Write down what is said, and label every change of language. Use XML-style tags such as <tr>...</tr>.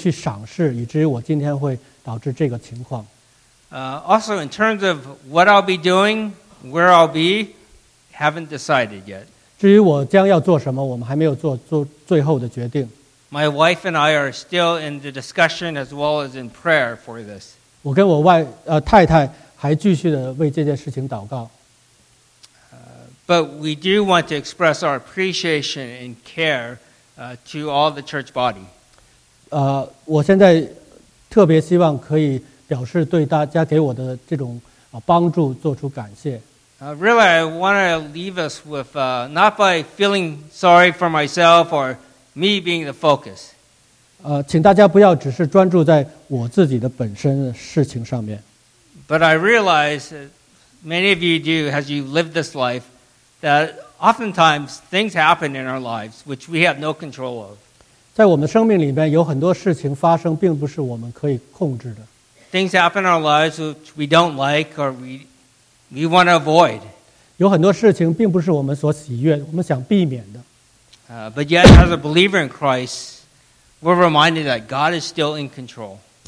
<zh>并不是说我们没有尽力去赏识，以至于我今天会导致这个情况。</zh> <en>Also, in terms of what I'll be doing, where I'll be, haven't decided yet.</en> <zh>至于我将要做什么，我们还没有做最后的决定。</zh> <en>My wife and I are still in the discussion as well as in prayer for this.</en> <zh>我跟我太太还继续的为这件事情祷告。</zh> <en>But we do want to express our appreciation and care to all the church body.</en> <zh>我现在特别希望可以表示对大家给我的这种帮助做出感谢。</zh> <en>Really, I want to leave us with not by feeling sorry for myself or me being the focus.</en> <zh>请大家不要只是专注在我自己的本身的事情上面。</zh> <en>But I realize, many of you do, as you live this life, that oftentimes things happen in our lives which we have no control of.</en> <zh>在我们生命里面有很多事情发生并不是我们可以控制的。</zh> <en>Things happen in our lives which we don't like or we want to avoid.</en> <zh>有很多事情并不是我们所喜悦,我们想避免的。</zh> <en>But yet, as a believer in Christ, we're reminded that God is still in control.</en>